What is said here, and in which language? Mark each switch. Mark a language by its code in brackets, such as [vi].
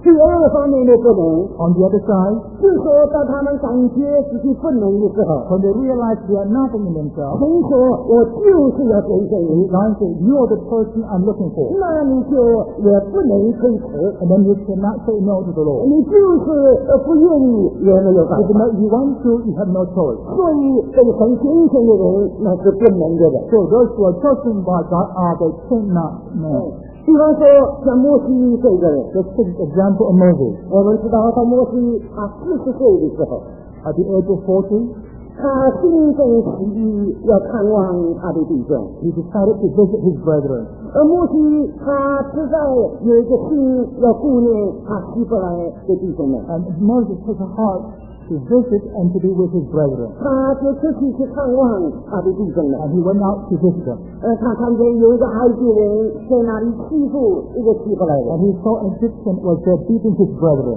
[en] On the other side, when they realize they are nothing in themselves, they say, you are the person I'm looking for. And then you cannot say no to the Lord. [zh] 不愿意也没有办法。 [en] If you want to, you have no choice. [zh] 所以这个很虔诚的人，那是不能的人。 [en] So those who are chosen by God are the cannot men. [zh] 比方说，像摩西这个人。 [en] Just take the example of Moses. [zh] 我们知道，当摩西他四十岁的时候 [en] ，at the age of 40， [zh] 他心中起意要看望他的弟兄。 [en] He decided to visit his brethren. [zh] 而摩西他知道有一个心要顾念他希伯来的弟兄们。 [en] And Moses took a heart to visit and to be with his brethren. And he went out to visit them. And he saw an Egyptian was there beating his brethren.